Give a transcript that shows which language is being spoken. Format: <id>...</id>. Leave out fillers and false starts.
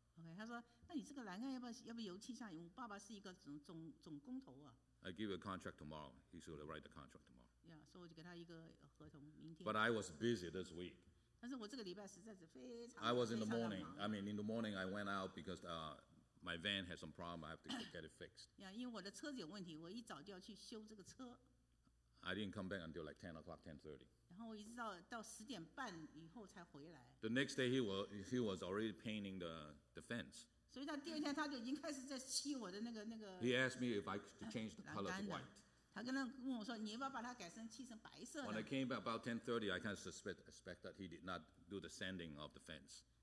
<zh>Okay, 他说，那你这个栏杆要不要油漆上？我爸爸是一个总工头啊。</zh> <en>I give you a contract tomorrow. He should write the contract tomorrow.</en> <zh>Yeah, so 我就给他一个合同，明天。</zh> <en>But I was busy this week.</en> <zh>但是我这个礼拜实在是非常忙。</zh> <en>I was in the morning. I mean, in the morning, I went out because my van had some problem. I have to get it fixed.</en> <zh>Yeah, 因为我的车子有问题，我一早就要去修这个车。</zh> <en>I didn't come back until like 10 o'clock, 10:30.</en> <zh>然后我一直到10点半以后才回来。</zh> <en>The next day, he was already painting the fence.</en> <zh>所以他第二天他就已经开始在漆我的那个。</zh> <en>He asked me if I could change the color to white.</en> <zh>他跟他问我说，你要不要把它改成漆成白色的？</zh> <en>When I came back about 10:30, I kind of suspect that he did not do the sanding of the fence.</en>